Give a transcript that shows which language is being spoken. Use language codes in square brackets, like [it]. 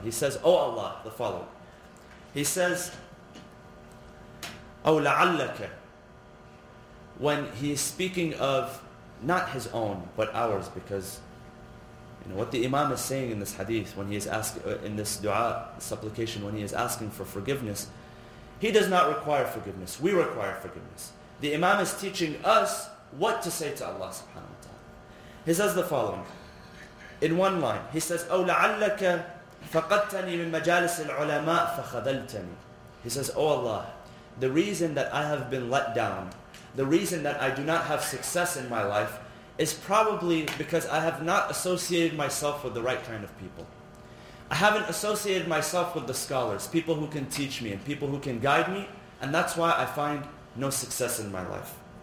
[en] He says, O Allah, the following. He says, أَوْ لَعَلَّكَ, when he is speaking of not his own but ours, because you know what the Imam is saying in this hadith, when he is asking in this dua supplication, when he is asking for forgiveness, he does not require forgiveness. We require forgiveness. The Imam is teaching us what to say to Allah subhanahu wa ta'ala. He says the following in one line. He says, [ar] أَوْ لَعَلَّكَ فَقَدْتَنِي مِن مَجَالِسِ الْعُلَمَاءِ فَخَذَلْتَنِي. [en] He says, O Allah, the reason that I have been let down, the reason that I do not have success in my life, is probably because I have not associated myself with the right kind of people. I haven't associated myself with the scholars, people who can teach me and people who can guide me, and that's why I find no success in my life.